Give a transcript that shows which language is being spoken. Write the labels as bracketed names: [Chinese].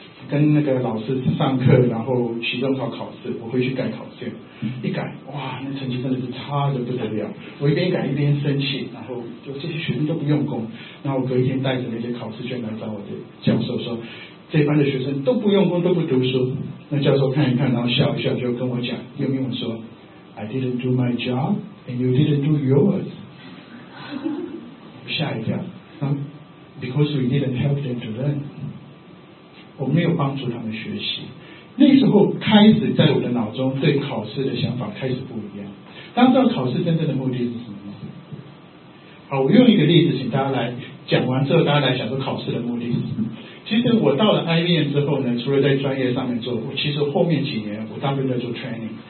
[Chinese] 跟那个老师上课，然后期中考考试，我会去改考卷，一改，哇，那成绩真的是差的不得了。我一边改一边生气，然后就这些学生都不用功。然后我隔一天带着那些考试卷来找我的教授说，这班的学生都不用功，都不读书。那教授看一看，然后笑一笑，就跟我讲，用英文说 ， [English] I didn't do my job and you didn't do yours。 [Chinese] 吓一跳， [English] Because we didn't help them to learn， [Chinese] 我没有帮助他们学习。那时候开始，在我的脑中对考试的想法开始不一样。大家知道考试真正的目的是什么吗？好，我用一个例子，请大家来讲完之后，大家来想说考试的目的是什么。其实我到了 IBM 之后呢，除了在专业上面做，我其实后面几年我大部分在做 training。